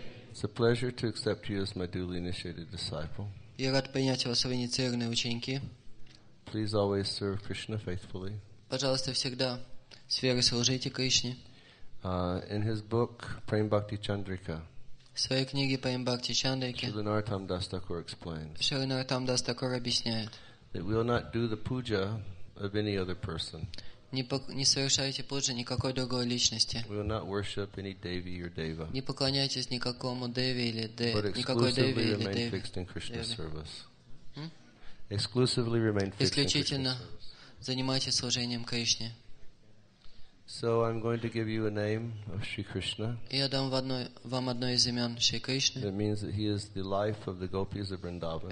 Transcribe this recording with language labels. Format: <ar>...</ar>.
<en>It's a pleasure to accept you as my duly initiated disciple.</en> <ru>Я рад принять вас в инициированные ученики.</ru> <en>Please always serve Krishna faithfully.</en> <ru>Пожалуйста, всегда с верой служите Кришне.</ru> <en>In his book Prem Bhakti Chandrika.</en> <ru>В своей книге Prem Bhakti Chandrika.</ru> <en>Shrinartham Das Thakur explains.</en> <ru>Shrinartham Das Thakur объясняет.</ru> <en>That we will not do the puja of any other person.</en> <ru>Не совершайте пуджу никакой другой личности.</ru> <en>We will not worship any devi or deva.</en> <ru>Не поклоняйтесь никакому деви или деве.</ru> <en>Exclusively remain fixed in Krishna service.</en> <ru>Исключительно занимайтесь служением Кришне.</ru> <en>So I'm going to give you a name of Sri Krishna.</en> <ru>Я дам вам одно из имен Шри Кришны.</ru> <en>That means that he is the life of the gopis of Vrindavan.</en>